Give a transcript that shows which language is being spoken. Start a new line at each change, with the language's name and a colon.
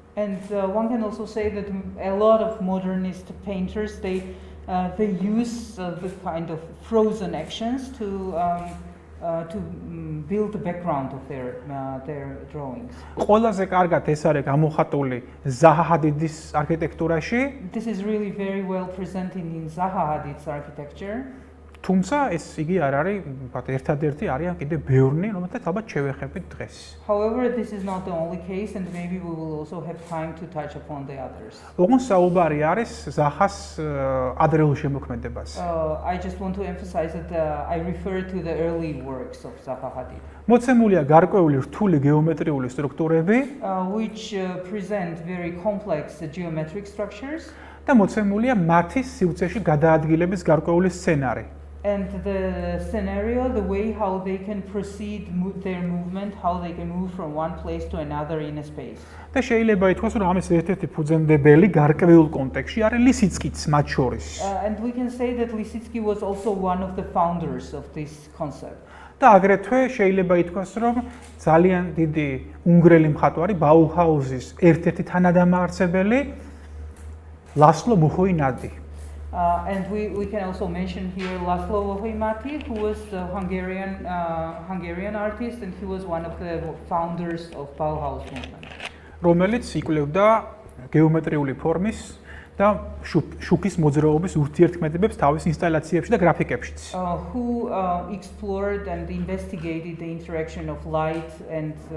English: And one can also say that a lot of modernist painters they use this kind of frozen actions to build the background of their drawings.
Georgian: ყველაზე კარგად ეს არის გამოხატული ზაჰა ჰადიდის არქიტექტურაში.
English: This is really very well presented in Zaha Hadid's architecture.
Georgian: თუმცა ეს იგი არ არის, ვთქვათ, ერთადერთი, არის კიდე ბევრი, რომელთაც ალბათ შევეხებით დღეს.
English: However, this is not the only case and maybe we will also have time to touch upon the others.
Georgian: ოღონდ საუბარი არის ზაჰას ადრეულ შემოქმედებაზე.
English: I just want to emphasize that I refer to the early works of Zaha Hadid.
Georgian: მოცემულია გარკვეული რთული გეომეტრიული სტრუქტურები,
English: which present very complex geometric structures.
Georgian: და მოცემულია მათი სივრცეში გადაადგილების გარკვეული სცენარი.
English: And the scenario, the way how they can proceed with their movement, how they can move from one place to another in a space.
Georgian: და შეიძლება ითქვას, რომ ამის ერთ-ერთი ფუძემდებელი გარკვეულ კონტექსში არის ლისიცკიც მათ შორის.
English: And we can say that Lisitsky was also one of the founders of this concept.
Georgian: და აგრეთვე შეიძლება ითქვას, რომ ძალიან დიდი უნგრელი მხატვარი ბაუჰაუზის ერთ-ერთი თანადამაარსებელი ლასლო მუხოინადი.
English: And we can also mention here László Vahimati, who was the Hungarian artist, and he was one of the founders of Bauhaus movement.
Georgian: რომელიც იკვლევდა გეომეტრიული ფორმის და შუქის მოძრაობის ურთიერთქმედებებს თავის ინსტალაციებში და გრაფიკებშიც.
English: Who explored and investigated the interaction of light and